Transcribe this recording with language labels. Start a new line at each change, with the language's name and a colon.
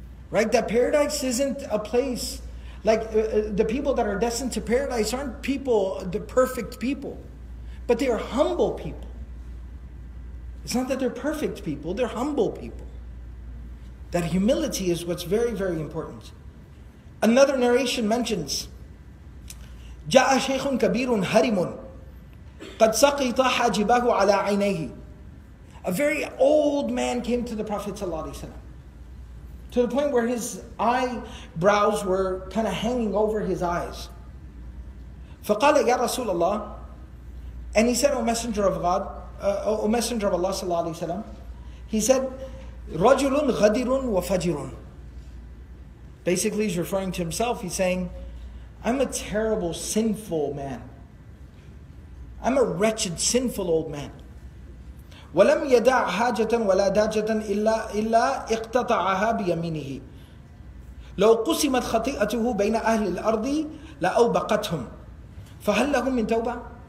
English: Right? That paradise isn't a place, like the people that are destined to paradise aren't people, the perfect people. But they are humble people. It's not that they're perfect people, they're humble people. That humility is what's very, very important. Another narration mentions,
Arabic: جاء شيخ كبير هرم قد سقط حاجبه على عينيه.
English: A very old man came to the Prophet صلى الله عليه وسلم, to the point where his eyebrows were kind of hanging over his eyes.
Arabic: فقال يا رسول الله.
English: And he said, O Messenger of Allah صلى الله عليه وسلم. He said,
Arabic: رجل غدير وفجر.
English: Basically he's referring to himself, he's saying, I'm a terrible, sinful man. I'm a wretched, sinful old man.
Arabic: وَلَمْ يَدَعْ حَاجَةً وَلَا دَاجَةً إِلَّا اِقْتَطَعَهَا بِيَمِينِهِ لَوْ قُسِمَتْ خَطِئَتُهُ بَيْنَ أَهْلِ الْأَرْضِ لَأَوْبَقَتْهُمْ فَهَلْ لَهُمْ مِنْ تَوْبَةً.